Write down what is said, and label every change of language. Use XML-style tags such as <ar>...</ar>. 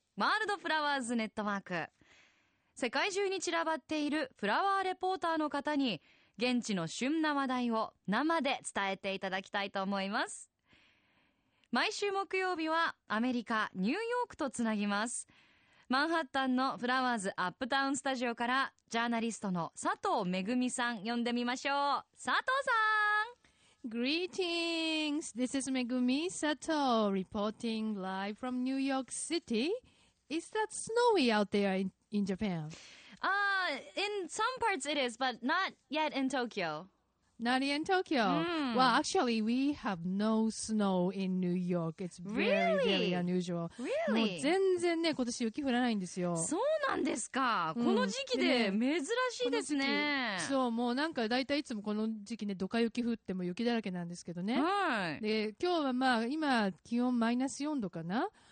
<ja>ワールドフラワーズネットワーク、世界中に散らばっているフラワーレポーターの方に現地の旬な話題を生で伝えていただきたいと思います。毎週木曜日はアメリカニューヨークとつなぎます。マンハッタンのフラワーズアップタウンスタジオからジャーナリストの佐藤めぐみさん呼んでみましょう。佐藤さん、</ja> <en>Greetings! This is Megumi Sato reporting live from New York City. Is that snowy out there in Japan? In some parts it is, but not yet in Tokyo. Not yet in Tokyo. Well, actually, we have no snow in New York. It's very, very unusual. Really?</en> <ja>もう全然ね、今年雪降らないんですよ。そうなんですか。この時期で珍しいですね。でね、そう、もうなんか大体いつもこの時期ね、どか雪降っても雪だらけなんですけどね。はい。で、今日はまあ、今、気温マイナス4度かな。</ja>